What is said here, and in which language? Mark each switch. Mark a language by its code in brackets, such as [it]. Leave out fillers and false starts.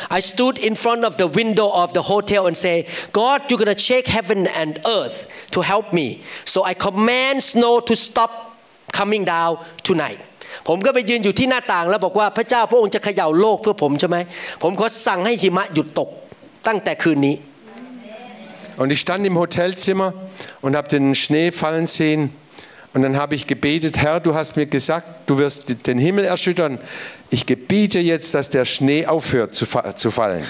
[en] I stood in front of the window of the hotel and say, God, you're going to shake heaven and earth to help me. So I command snow to stop coming down tonight. [th] ผมก็ไปยืนอยู่ที่หน้าต่างแล้วบอกว่าพระเจ้าพระองค์จะเขย่าโลกเพื่อผมใช่ไหมผมขอสั่งให้หิมะหยุดตกตั้งแต่คืนนี้ [de] Und ich stand im Hotelzimmer und habe den Schnee fallen sehen. Und dann habe ich gebetet, Herr, du hast mir gesagt, du wirst den Himmel erschüttern. Ich gebiete jetzt, dass der Schnee aufhört zu fallen.